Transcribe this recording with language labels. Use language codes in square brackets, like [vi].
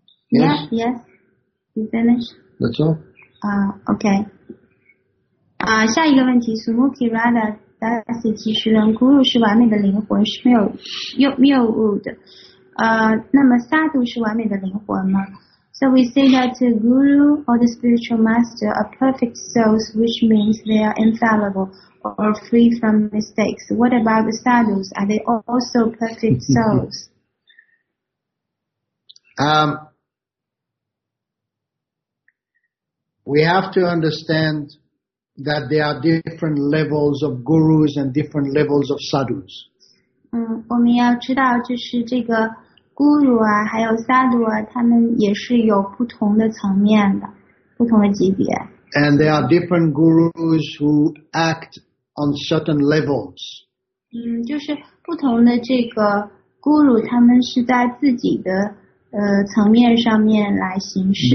[en] Yes? Yeah, yes. You finished? That's all. [zh] Okay. 下一个问题 Sumuki Radha. 但是其实人 Guru 是完美的灵魂，是没有谬误的。那么萨度是完美的灵魂吗？ [en] So we say that the Guru or the spiritual master are perfect souls, which means they are infallible or free from mistakes. What about the sadhus? Are they also perfect souls? We have to understandthat there are different levels of gurus and different levels of sadhus. [zh] 我们要知道就是这个 guru 啊还有 sadhu 啊他们也是有不同的层面的不同的级别。 [en] And there are different gurus who act on certain levels. [zh] 就是不同的这个 guru 他们是在自己的层面上面来行事。